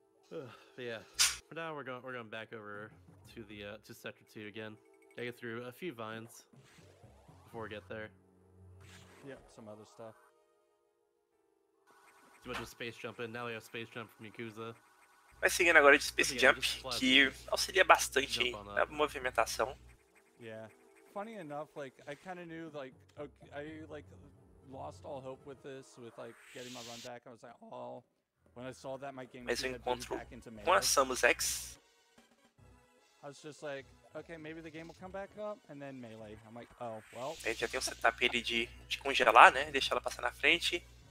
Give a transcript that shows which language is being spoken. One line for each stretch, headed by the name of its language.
English: But now we're going back over to the to sector 2 again. Get through a few vines before we get there. Yeah, some other stuff. Too much of space jumping. Now we have space jump from Yakuza.
Portuguese: Vai seguindo agora de space jump, que auxilia bastante na movimentação.
English: Yeah. Funny enough, like I kind of knew like okay, I like lost all hope with this with like getting my run back. I was like, "Oh, when I saw that my game was back into melee,
Portuguese: com a Samus X.
English: I was just like, okay, maybe the game will come back up and then melee. I'm like, oh, well.
Portuguese: Aí já tem o setup ele de congelar, né? Deixar ela passar na frente.